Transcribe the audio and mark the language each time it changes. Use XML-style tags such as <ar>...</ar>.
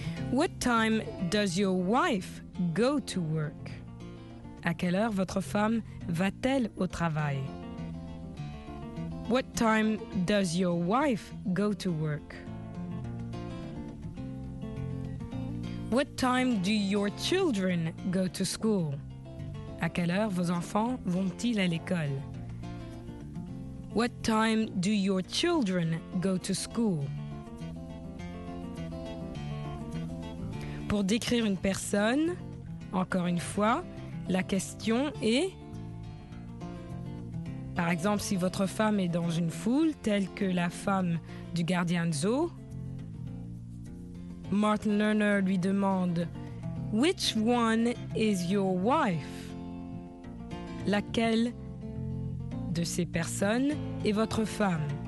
<en>What time does your wife go to work?</en> <fr>À quelle heure votre femme va-t-elle au travail?</fr> <en>What time does your wife go to work? What time do your children go to school?</en> <fr>À quelle heure vos enfants vont-ils à l'école?</fr> <en>What time do your children go to school?</en> <fr>Pour décrire une personne, encore une fois, la question est... Par exemple, si votre femme est dans une foule, telle que la femme du gardien de zoo, Martin Lerner lui demande «</fr> <en>Which one is your wife?</en> <fr>» Laquelle de ces personnes est votre femme?</fr>